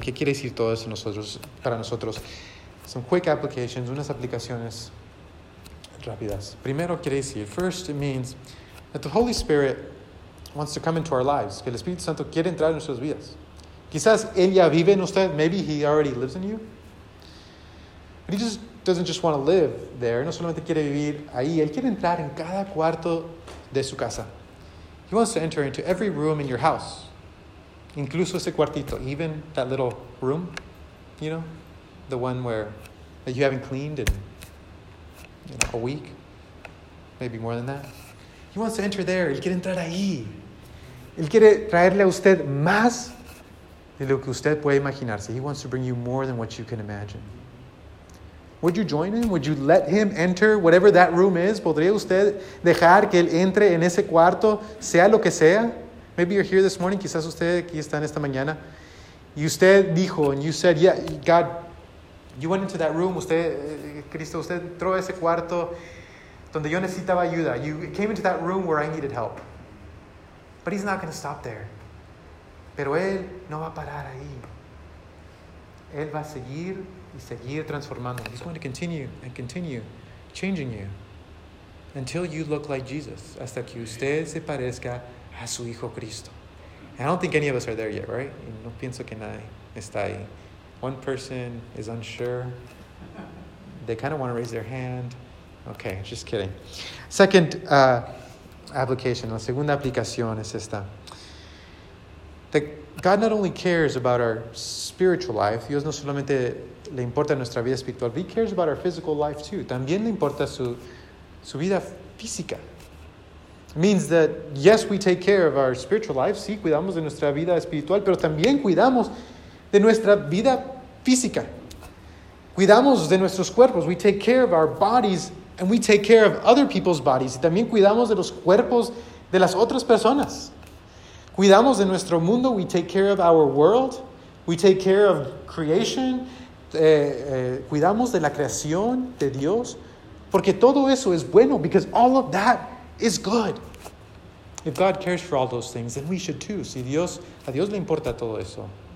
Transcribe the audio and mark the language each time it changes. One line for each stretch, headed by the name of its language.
Spanish: ¿Qué quiere decir todo eso nosotros, para nosotros?
English: Some quick applications,
Spanish: unas aplicaciones rápidas. Primero quiere decir,
English: first it means that the Holy Spirit wants to come into our lives.
Spanish: Que el Espíritu Santo quiere entrar en nuestras vidas. Quizás él ya vive en usted.
English: Maybe he already lives in you. But he just doesn't just want to live there.
Spanish: No solamente quiere vivir ahí. Él quiere entrar en cada cuarto de su casa.
English: He wants to enter into every room in your house.
Spanish: Incluso ese cuartito.
English: Even that little room. You know? The one where that you haven't cleaned in, you know, a week. Maybe more than that. He wants to enter there.
Spanish: Él quiere entrar ahí. Él quiere traerle a usted más de lo que usted puede imaginarse.
English: He wants to bring you more than what you can imagine. Would you join him? Would you let him enter whatever that room is?
Spanish: ¿Podría usted dejar que él entre en ese cuarto, sea lo que sea?
English: Maybe you're here this morning.
Spanish: Quizás usted aquí está en esta mañana. Y usted dijo,
English: and you said, yeah, God, you went into that room.
Spanish: Usted, Cristo, usted entró a ese cuarto donde yo necesitaba ayuda.
English: You came into that room where I needed help. But he's not going to stop there.
Spanish: Pero él no va a parar ahí. Él va a seguir y seguir transformando.
English: He's going to continue and continue changing you until you look like Jesus,
Spanish: hasta que usted se parezca a su Hijo Cristo.
English: And I don't think any of us are there yet, right?
Spanish: Y no pienso que nadie está ahí.
English: One person is unsure. They kind of want to raise their hand. Okay, just kidding. Second application,
Spanish: la segunda aplicación es esta.
English: That God not only cares about our spiritual life,
Spanish: Dios no solamente le importa nuestra vida espiritual,
English: but he cares about our physical life too.
Spanish: También le importa su vida física.
English: It means that, yes, we take care of our spiritual life,
Spanish: sí, cuidamos de nuestra vida espiritual, pero también cuidamos de nuestra vida física. Cuidamos de nuestros cuerpos.
English: We take care of our bodies and we take care of other people's bodies.
Spanish: Y también cuidamos de los cuerpos de las otras personas. Cuidamos de nuestro mundo.
English: We take care of our world. We take care of creation.
Spanish: Cuidamos de la creación de Dios. Porque todo eso es bueno.
English: Because all of that is good. If God cares for all those things, then we should too.
Spanish: Si Dios, a Dios le importa todo eso.